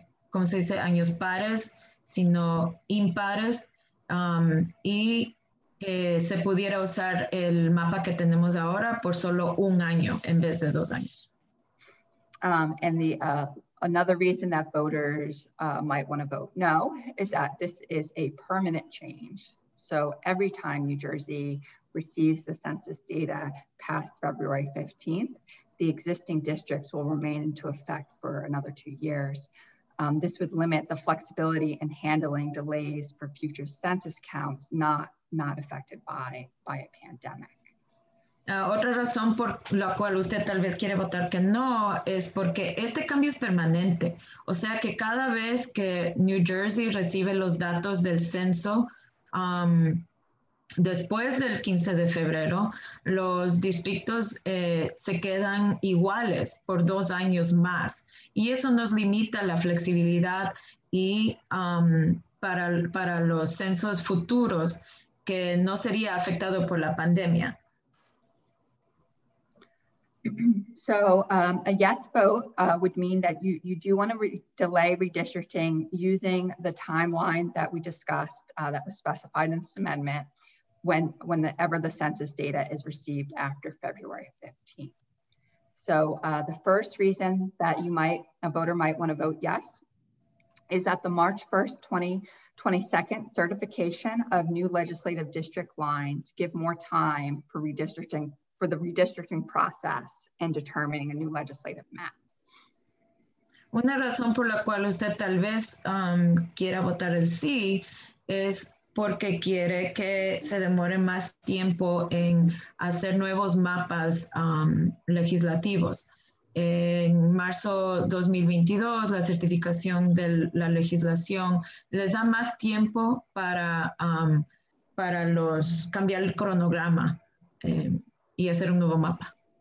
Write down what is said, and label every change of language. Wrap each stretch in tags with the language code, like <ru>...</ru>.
<es>¿cómo se dice? Años pares, sino impares, y se pudiera usar el mapa que tenemos ahora por solo un año en vez de dos años.</es> <en>And the another reason that voters might want to vote no is that this is a permanent change. So every time New Jersey receives the census data past February 15th, the existing districts will remain into effect for another 2 years. This would limit the flexibility in handling delays for future census counts not affected by a pandemic.</en> <es>Otra razón por la cual usted tal vez quiere votar que no es porque este cambio es permanente. O sea que cada vez que New Jersey recibe los datos del censo, después del 15 de febrero, los distritos se quedan iguales por dos años más. Y eso nos limita la flexibilidad y para los censos futuros que no sería afectado por la pandemia.</es> <en>So a yes vote would mean that you do want to delay redistricting using the timeline that we discussed that was specified in this amendment whenever the census data is received after February 15th. So the first reason that a voter might want to vote yes is that the March 1st, 2022 certification of new legislative district lines give more time for redistricting for the redistricting process and determining a new legislative map.</en> <es>Una razón por la cual usted tal vez quiera votar el sí es porque quiere que se demore más tiempo en hacer nuevos mapas legislativos. En marzo 2022, la certificación de la legislación les da más tiempo para los cambiar el cronograma y hacer un nuevo mapa.</es>